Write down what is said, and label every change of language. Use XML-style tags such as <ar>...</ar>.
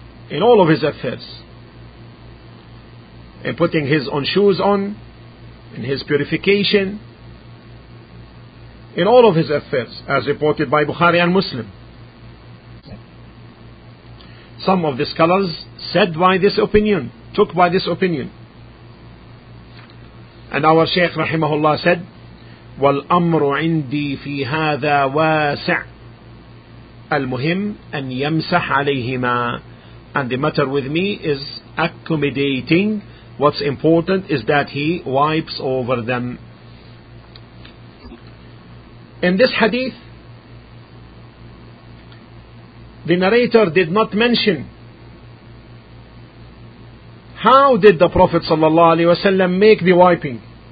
<en>in all of his affairs, in putting his own shoes on, in his purification, in all of his affairs, as reported by Bukhari and Muslim. Some of the scholars said by this opinion, took by this opinion. And our Shaykh rahimahullah said,</en> <ar>وَالْأَمْرُ عِنْدِي فِي هَذَا وَاسِعَ المهم أن يمسح عليهما.</ar> <en>And the matter with me is accommodating. What's important is that he wipes over them. In this hadith, the narrator did not mention how did the Prophet sallallahu alaihi wasallam make the wiping.</en>